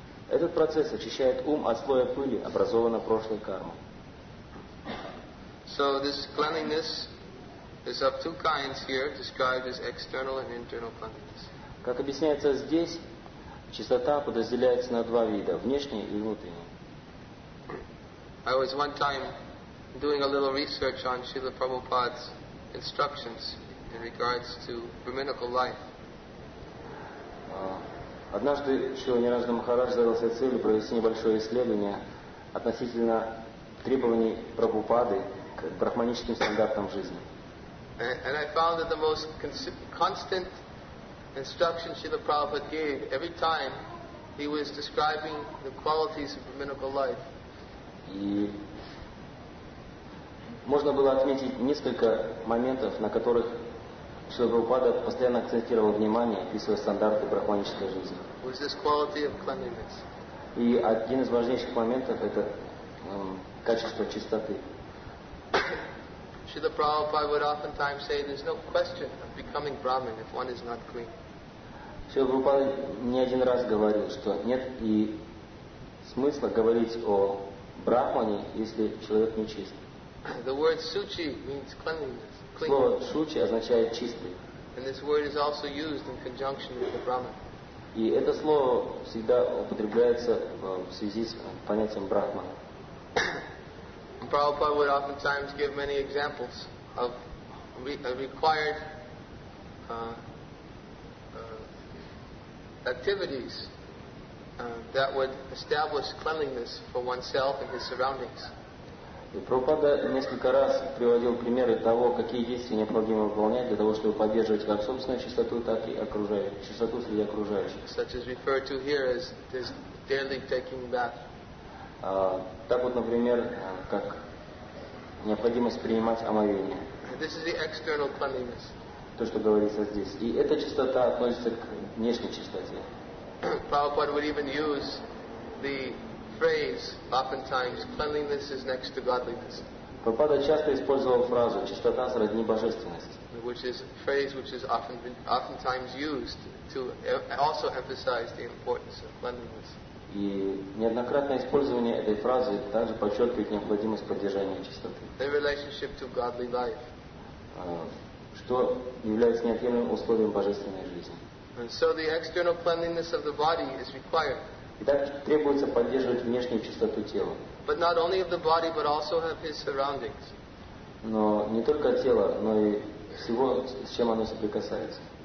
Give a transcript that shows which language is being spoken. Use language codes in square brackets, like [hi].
[ru] Этот процесс очищает ум от слоя пыли, образованного прошлой кармой. [en] So this cleanliness is of two kinds here, described as external and internal cleanliness. [ru] Как объясняется здесь, чистота подразделяется на два вида: внешняя и внутренняя. [en] I was one time doing a little research on Srila Prabhupada's instructions in regards to brahminical life. [ru] Однажды Шрила Ниранджана Махарадж задался целью провести небольшое исследование относительно требований Прабхупады к брахманическим стандартам жизни. [en] And I found that the most constant instruction Srila Prabhupada gave every time he was describing the qualities of brahminical life. [ru] И можно было отметить несколько моментов, на которых Шрила Прабхупада постоянно акцентировал внимание, описывая стандарты брахманической жизни. [en] Was this quality of cleanliness. [ru] И один из важнейших моментов это качество чистоты. [en] Шрила Прабхупада would oftentimes say there's no question of becoming Brahmin if one is not clean. [ru] Шрила Прабхупада не один раз говорил, что нет и смысла говорить о брахмане, если человек не чист. [en] The word suci means cleanliness. [ru] Слово «шучи» означает «чистый». [en] And this word is also used in conjunction with the Brahman. [ru] И это слово всегда употребляется в связи с понятием брахмана. [en] Prabhupada would oftentimes give many examples of required activities that would establish cleanliness for oneself and his surroundings. [ru] И Прабхупада несколько раз приводил примеры того, какие действия необходимо выполнять для того, чтобы поддерживать как собственную чистоту, так и окружающую, чистоту среди окружающих. [en] Such as referred to here as this daily taking bath. [ru] Так вот, например, как необходимость принимать омовение. [en] This is the external cleanliness. [ru] То, что говорится здесь. И эта чистота относится к внешней чистоте. [en] Prabhupada would even use the phrase oftentimes cleanliness is next to godliness. [ru] Прабхупада часто использовал фразу чистота сродни божественности. [en] Which is a phrase which is oftentimes used to also emphasize the importance of cleanliness. [ru] И неоднократное использование этой фразы также подчеркивает необходимость поддержания чистоты. [en] The relationship to godly life. [ru] Что является неотъемлемым условием божественной жизни. [en] And so the external cleanliness of the body is required. [ru] Итак, требуется поддерживать внешнюю чистоту тела. [en] But not only of the body, but also of his surroundings. [ru] Но не только тело, но и всего, с чем оно соприкасается.